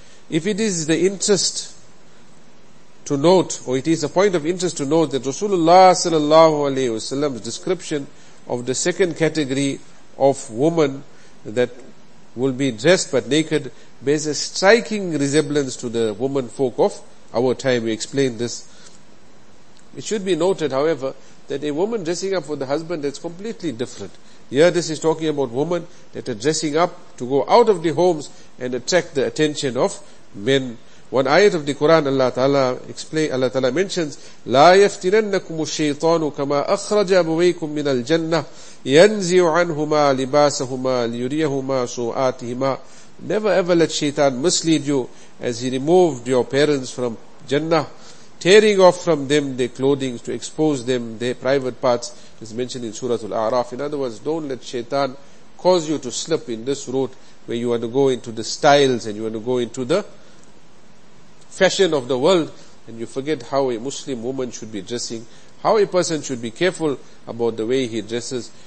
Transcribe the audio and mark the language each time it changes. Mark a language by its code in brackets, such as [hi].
[en] If it is the interest to note, or it is a point of interest to note, that Rasulullah sallallahu alayhi wa sallam's description of the second category of woman that will be dressed but naked bears a striking resemblance to the woman folk of our time. We explained this. It should be noted, however, that a woman dressing up for the husband is completely different. Here this is talking about women that are dressing up to go out of the homes and attract the attention of men. One ayat of the Quran, Allah Ta'ala mentions, [ar] لَا يَفْتِنَنَّكُمُ الشَّيْطَانُ كَمَا أَخْرَجَ أَبَوَيْكُمْ مِنَ الْجَنَّةِ يَنْزِعُ عَنْهُمَا لِبَاسَهُمَا لِيُرِيَهُمَا سُوْآتِهِمَا. [en] Never ever let Shaitan mislead you as he removed your parents from Jannah, tearing off from them their clothing to expose them their private parts, as mentioned in Surah Al-A'raf. In other words, don't let Shaitan cause you to slip in this route where you want to go into the styles and you want to go into the fashion of the world, and you forget how a Muslim woman should be dressing, how a person should be careful about the way he dresses.